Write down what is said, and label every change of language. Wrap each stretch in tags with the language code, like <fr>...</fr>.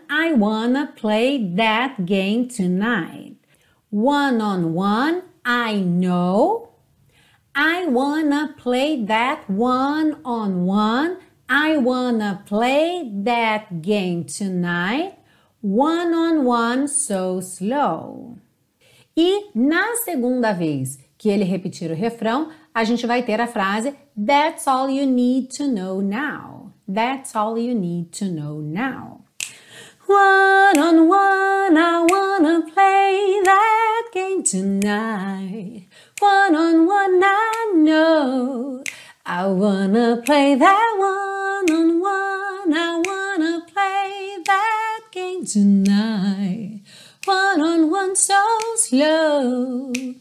<en>I wanna play that game tonight. One on one. I know. I wanna play that one on one. I wanna play that game tonight. One on one, so slow.</en> <pt>E na segunda vez que ele repetir o refrão, a gente vai ter a frase</pt> <en>That's all you need to know now. That's all you need to know now. One on one, I wanna play that game tonight. One on one, I know. I wanna play that one on one, I wanna play that game tonight, one on one, so slow.</en>